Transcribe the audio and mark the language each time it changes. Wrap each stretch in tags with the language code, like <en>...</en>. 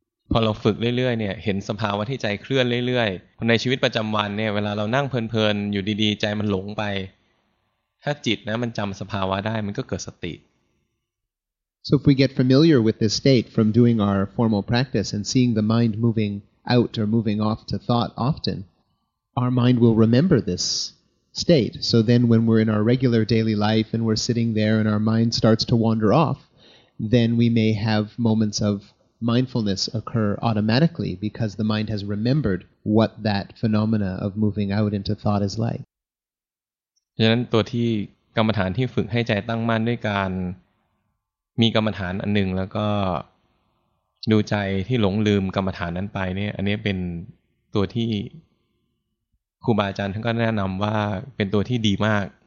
<th>พอเราฝึกเรื่อยๆเนี่ยเห็นสภาวะที่ใจเคลื่อนเรื่อยๆในชีวิตประจำวันเนี่ยเวลาเรานั่งเพลินๆอยู่ดีๆใจมันหลงไปถ้าจิตนะมันจำสภาวะได้มันก็เกิดสติ</th> <en>So if we get familiar with this state from doing our formal practice and seeing the mind moving out or moving off to thought often, our mind will remember this state. So then when we're in our regular daily life and we're sitting there and our mind starts to wander off, then we may have moments of mindfulness occur automatically because the mind has remembered what that phenomena of moving out into thought is like.</en> <th>ฉะนั้นตัวที่กรรมฐานที่ฝึกให้ใจตั้งมั่นด้วยการมีกรรมฐานอันหนึ่งแล้วก็ดูใจที่หลงลืมกรรมฐานนั้นไปเนี่ยอันนี้เป็นตัวที่ครูบาอาจารย์ท่านก็แนะนำว่าเป็นตัวที่ดีมาก</th>